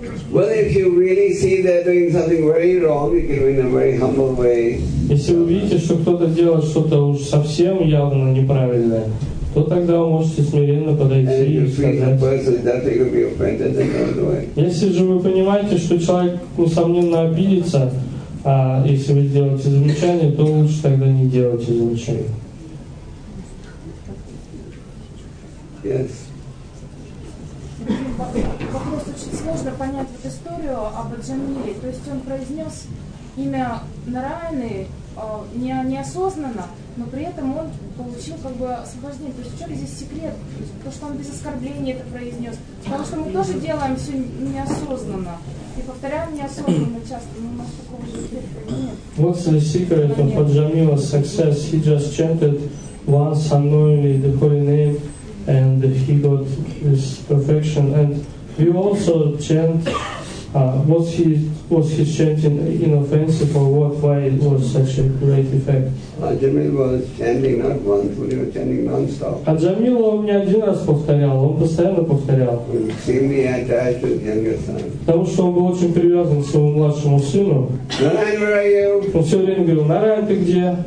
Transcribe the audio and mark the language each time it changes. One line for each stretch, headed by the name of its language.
English: Well, if you really see they're doing something very wrong, you can do it in a very humble way.
Russian: Если вы видите, что кто-то делает что-то уж совсем явно неправильное, то тогда вы можете смиренно подойти и сказать.
English: And if you see the person definitely will be offended, then don't do it.
Russian: Если же вы понимаете, что человек несомненно обидится, если вы сделаете замечание, то лучше тогда не делайте замечание.
English: Yes.
Russian: Вопрос очень сложно понять вот историю о Баджамире. То есть он произнес имя Нараяны неосознанно, но при этом он получил как бы освобождение. То есть в чем здесь секрет? То есть то, что он без оскорбления это произнес. Потому что мы тоже делаем все неосознанно. И повторяем неосознанно часто, но у нас такого же секрета нет.
English: What's the secret of Баджамира's success? He just chanted once annoyingly the holy name. And he got his perfection. And we also chant. Was he chanting inoffensive or what? Why it was such a great effect? Аджамил was chanting not once, but he was chanting non-stop.
Russian: Аджамил он не один раз повторял, он постоянно повторял.
English: Extremely attached to his younger son.
Russian: Потому что он был очень привязан к своему младшему сыну.
English: Нараян, where are you?
Russian: Он все время говорил: Нараян, ты где?